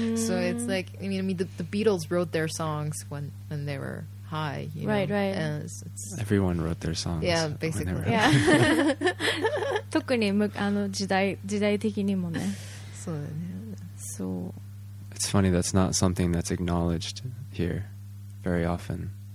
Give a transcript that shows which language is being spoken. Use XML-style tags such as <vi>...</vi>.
<en>So it's like, I mean, the Beatles wrote their songs when they were high, you know? Right. And everyone wrote their songs. Yeah, basically. Yeah.</en> <ja>特にあの時代的にもね。そうだね。</ja> <en>It's funny, that's not something that's acknowledged here very often.</en>